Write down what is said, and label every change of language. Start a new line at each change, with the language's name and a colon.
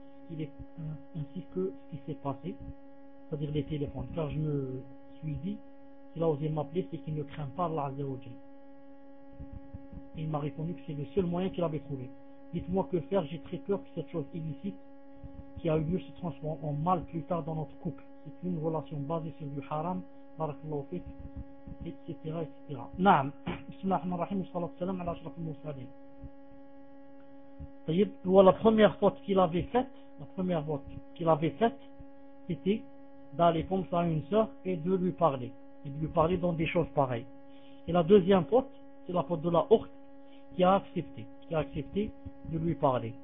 French: Il est ainsi que ce qui s'est passé, c'est-à-dire les téléphones, car je me suis dit qu'il a osé m'appeler, c'est qu'il ne craint pas Allah Azza wa Jal. Il m'a répondu que c'est le seul moyen qu'il avait trouvé. Dites-moi que faire, j'ai très peur que cette chose illicite qui a eu lieu se transforme en mal plus tard dans notre couple. C'est une relation basée sur du haram, barakallahu fik. Etc. etc.
Arabic: نعم بسم الله الرحمن الرحيم والصلاة والسلام على أشرف المرسلين. طيب هو
French: la première faute qu'il avait faite, la première faute qu'il avait faite, c'était d'aller comme ça à une sœur et de lui parler. Et de lui parler dans des choses pareilles. Et la deuxième faute, c'est la faute de la ourte qui a accepté de lui parler.